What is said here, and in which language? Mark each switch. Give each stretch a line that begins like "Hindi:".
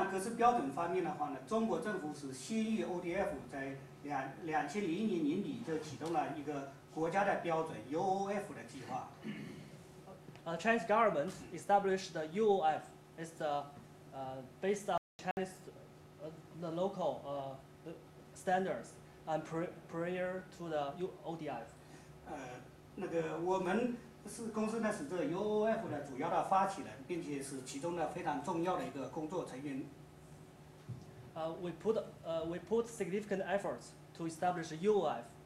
Chinese: 那么在那个文档格式标准方面的话呢，中国政府是先于 ODF 在2001年底就启动了一个国家的标准 UOF 的计划。
English: Chinese government established the UOF. It's based on Chinese, the local standards and prior to the ODF.
Chinese: 那个我们是公司呢，是这个 UOF 的主要的发起人，并且是其中的非常重要的一个工作成员。
English: We put significant efforts to establish UOF.